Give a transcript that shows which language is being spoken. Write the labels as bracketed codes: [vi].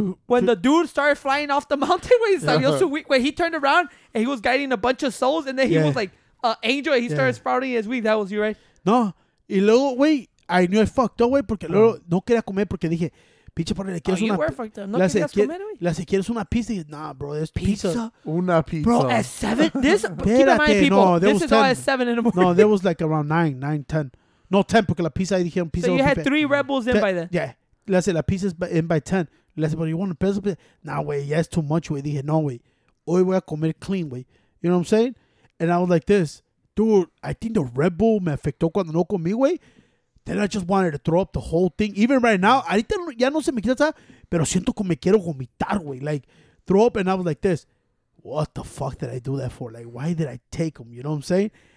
[en] When the dude started flying off the mountain, when he turned around and he was guiding a bunch of souls, and then he was like an angel, and he started sprouting his wings. That was you, right? No. [es] Y luego, güey, [en] I knew I fucked up, [es] güey, porque luego no quería comer porque dije, pinche porra, ¿quieres una pizza? No querías comer, güey. Le dije, ¿quieres una pizza? Y dije, [en] nah, bro, there's pizza. [es] Una pizza. [en] Bro, at 7? This, keep in mind, people, this is all at 7 in the morning. No, there was like around 9, 10. No, 10, [es] porque la pizza, dije, un pizza. [en] So you had three rebels in by then. Yeah. [es] Le dije, la pizza [en] is in by 10. Le dije, but you want a pizza? Nah, güey, yeah, it's too much, güey. [es] Dije, no, güey. Hoy voy a comer clean, güey. [en] You know what I'm saying? And I was like this. Dude, I think the Red Bull [es] me afectó cuando no comí, güey. [en] Then I just wanted to throw up the whole thing. Even right now, [es] ahorita ya no se me quita, pero siento que me quiero vomitar, güey. [en] Like, throw up, and I was like this. What the fuck did I do that for? Like, why did I take them? You know what I'm saying?